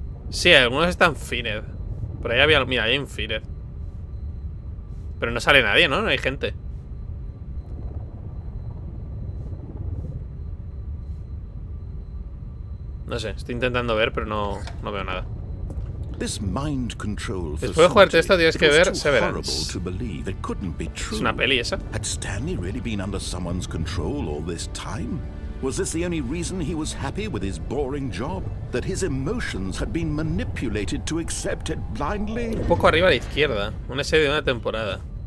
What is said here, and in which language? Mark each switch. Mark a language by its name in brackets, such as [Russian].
[Spanish] Sí, algunos están Fined. Por ahí había. Mira, hay un Fined. Pero no sale nadie, ¿no? No hay gente. No sé, estoy intentando ver, pero no veo nada. Después de jugarte esto, tienes que ver Severance. Es una peli esa. [English] ¿Had Stanley really been under someone's control all this time? Was this the only reason he was happy with his boring job? That his emotions had been manipulated to accept it blindly? [Spanish] Un poco arriba a la izquierda, una serie de una temporada.